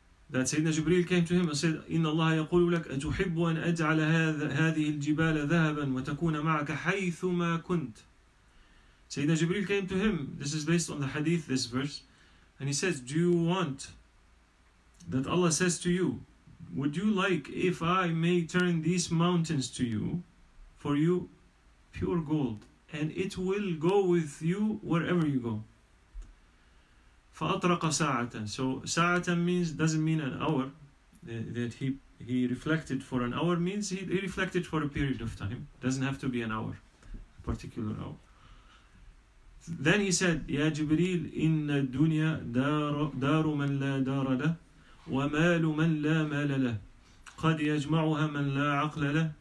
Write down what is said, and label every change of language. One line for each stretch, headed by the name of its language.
English: That Sayyidina Jibreel came to him and said,
Arabic: إِنَّ اللَّهَ يَقُولُ لَكَ أَتُحِبُّ أَنْ أَجْعَلَ هَذِهِ الْجِبَالَ ذَهَبًا وَتَكُونَ مَعَكَ حَيْثُمَا كُنْتَ.
English: Sayyidina Jibreel came to him, this is based on the hadith, this verse, and he says, do you want, that Allah says to you, would you like if I may turn these mountains to you, for you, pure gold, and it will go with you wherever you go.
Arabic: فَأَطْرَقَ سَاعَةً.
English: So سَاعَةً means, doesn't mean an hour, that he reflected for an hour means he reflected for a period of time, doesn't have to be an hour, a particular hour. Then he said,
Arabic: يَا جِبْرِيلْ إِنَّ الدُّنْيَا دَارُ مَنْ لَا دَارَ لَهُ وَمَالُ مَنْ لَا مَالَ لَهُ قَدْ يَجْمَعُهَا مَنْ لَا عَقْلَ لَهُ.